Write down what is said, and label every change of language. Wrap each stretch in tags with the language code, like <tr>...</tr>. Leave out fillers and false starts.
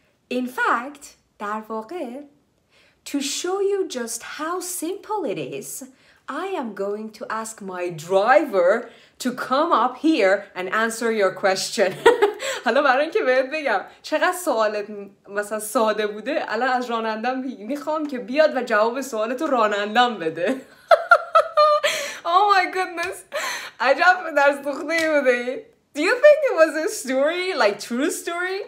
<en>In fact,</en> <fa>در واقع,</fa> <en>to show you just how simple it is, I am going to ask my driver to come up here and answer your question.</en> <fa>حالا برای اینکه بهت بگم چقدر سوالت مثلا ساده بوده, الان از رانندم میخوام که بیاد و جواب سوالتو رانندم بده.</fa> <en>Oh my goodness.</en> <fa>عجب درس دخته بوده.</fa> <en>Do you think it was a story, like true story?</en>